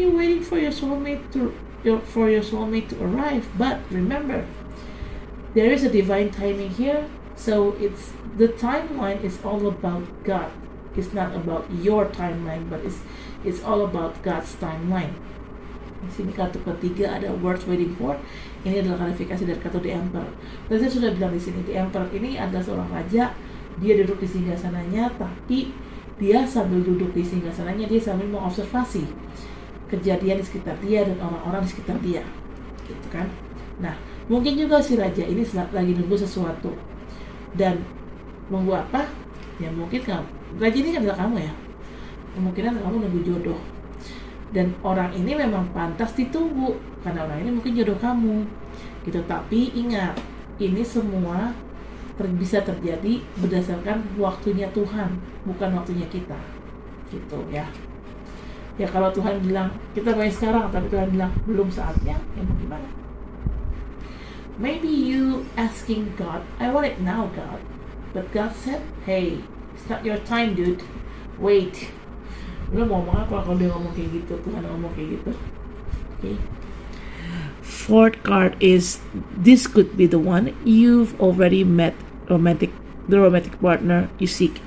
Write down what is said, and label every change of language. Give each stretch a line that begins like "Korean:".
English: You're waiting for your soulmate to arrive. But remember, there is a divine timing here. So it's the timeline is all about God. It's not about your timeline, but it's all about God's timeline.
Indonesian: Di sini kartu ketiga ada
English: words waiting for.
Indonesian: Ini adalah klarifikasi dari kartu The Emperor. Dan saya sudah bilang di sini The Emperor ini adalah seorang raja. Dia duduk di singgasananya, tapi dia sambil duduk di singgasananya dia sambil mengobservasi kejadian di sekitar dia dan orang-orang di sekitar dia, gitu kan? Nah, mungkin juga si raja ini lagi nunggu sesuatu dan nunggu apa? Ya mungkin kamu. Raja ini kan adalah kamu ya. Kemungkinan kamu nunggu jodoh dan orang ini memang pantas ditunggu karena orang ini mungkin jodoh kamu, gitu. Tapi ingat, ini semua bisa terjadi berdasarkan waktunya Tuhan, bukan waktunya kita, gitu ya. Ya kalau Tuhan bilang kita mulai sekarang, tapi Tuhan bilang belum saatnya, ya mau gimana?
English: Maybe you asking God, I want it now, God. But God said, hey, it's not your time, dude.
Indonesian: Wait. Lu mau ngomong apa kalau dia ngomong kayak gitu? Tuhan ngomong kayak gitu. Okay.
English: Fourth card is, this could be the one you've already met the romantic partner you seek.